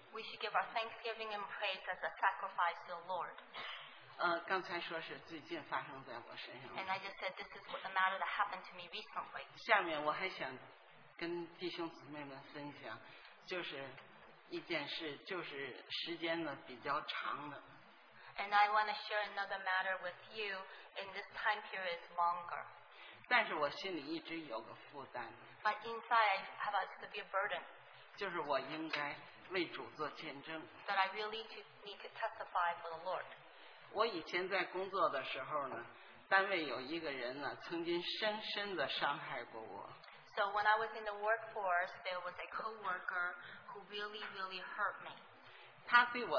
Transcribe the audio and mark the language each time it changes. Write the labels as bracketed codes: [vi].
[en] We should give our thanksgiving and praise as a sacrifice to the Lord. [zh] 刚才说是最近发生在我身上。 [en] And I just said this is a matter that happened to me recently. [zh] 下面我还想跟弟兄姊妹们分享，就是。一件事就是时间呢比较长的。 [en] And I want to share another matter with you, and this time period is longer. [zh] 但是我心里一直有个负担。 [en] But inside I have a severe burden. [zh] 就是我应该为主做见证。 [en] That I really need to testify for the Lord. [zh] 我以前在工作的时候呢， 单位有一个人呢， 曾经深深地伤害过我。 [en] So when I was in the workforce, there was a co-worker who really, really hurt me.